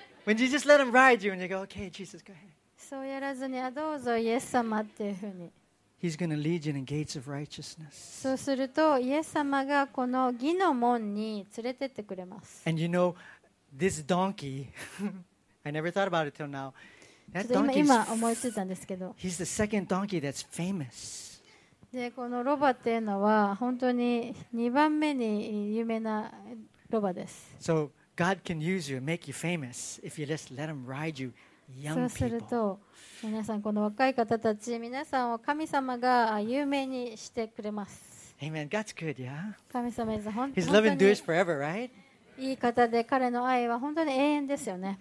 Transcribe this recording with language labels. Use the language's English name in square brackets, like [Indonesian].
[English] When you just let him ride you and you go, okay, Jesus, go ahead. [Japanese] そうやらずにあどうぞイエス様っていうふうに。 [English] He's going to lead you in gates of righteousness. [Japanese] そうするとイエス様がこの義の門に連れてってくれます。 [English] And you know, this donkey, I never thought about it till now. That donkey is. [Japanese] 今思いついたんですけど。 [English] He's the second donkey that's famous. [Japanese] で、このロバっていうのは本当に2番目に有名なロバです。 [English] So God can use you, make you famous if you just let him ride you. [Japanese] そうすると皆さんこの若い方たち皆さんを神様が有名にしてくれます。 [English] Amen. God's good, yeah. [Japanese] 神様は本当に。 [English] His love endures forever, right? [Japanese] いい方で彼の愛は本当に永遠ですよね。